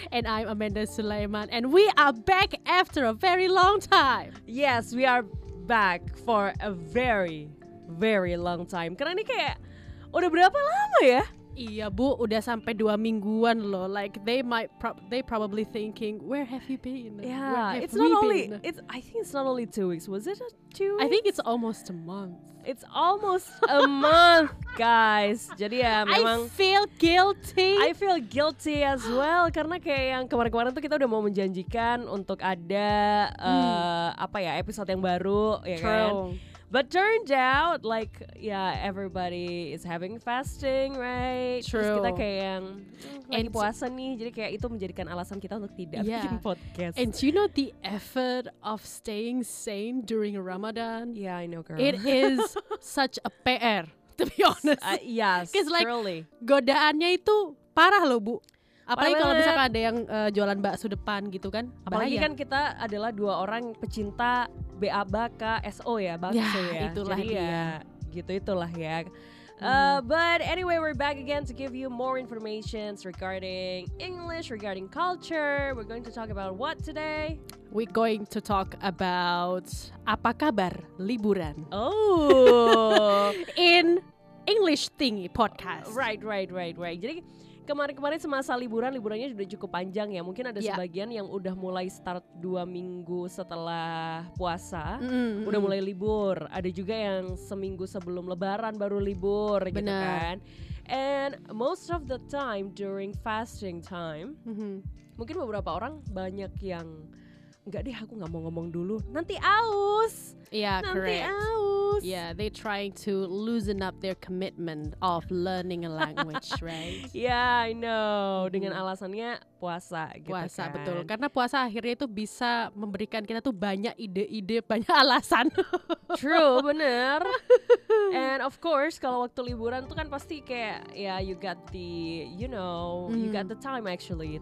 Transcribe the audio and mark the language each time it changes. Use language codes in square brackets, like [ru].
[en] And I'm Amanda Sulaiman, and we are back after a very long time. Yes, we are back for a very, very long time. [id] Karena ini kayak udah berapa lama ya? Iya bu, udah sampai 2 mingguan loh. [en] Like they probably thinking, where have you been? Yeah, it's not only been? It's. I think it's not only 2 weeks. Was it 2 weeks? I think it's almost a month. It's almost a month, guys. [id] Jadi ya, memang. [en] I feel guilty as well. [id] Karena kayak yang kemarin-kemarin tuh kita udah mau menjanjikan untuk ada episode yang baru, ya kan? [en] But turned out, like, yeah, everybody is having fasting, right? True. [id] Terus kita kayak yang lagi puasa nih, jadi kayak itu menjadikan alasan kita untuk tidak bikin podcast. [en] And you know the effort of staying sane during Ramadan? Yeah, I know, girl. It is such a PR, to be honest. Yes, like, truly. Because, like, [id] godaannya itu parah loh, Bu. Apalagi kalau misalkan ada yang jualan bakso depan gitu kan, bahaya. Apalagi kan kita adalah 2 orang pecinta Baka SO ya, bakso ya. Ya, itulah. Jadi dia. Ya, gitu itulah ya. [en] But anyway, we're back again to give you more information regarding English, regarding culture. We're going to talk about what today? We're going to talk about [id] apa kabar liburan. Oh. [en] In English thingy podcast. [id] Right. Jadi kemarin-kemarin semasa liburan, liburannya sudah cukup panjang ya. Mungkin ada sebagian yang udah mulai start 2 minggu setelah puasa, udah mulai libur. Ada juga yang seminggu sebelum lebaran baru libur. Bener. Gitu kan. [en] And most of the time during fasting time, [id] mungkin beberapa orang banyak yang, enggak deh aku gak mau ngomong dulu, nanti aus. [en] Yeah, [id] nanti Nanti aus. [en] Yeah, they trying to loosen up their commitment of learning a language, right? Yeah, I know. [id] Dengan alasannya puasa gitu. Puasa, kan. Betul. Karena puasa akhirnya itu bisa memberikan kita tuh banyak ide-ide, banyak alasan. True, bener. [en] And of course, [id] kalau waktu liburan tuh kan pasti kayak, [en] yeah, you got the, you know, you got the time actually.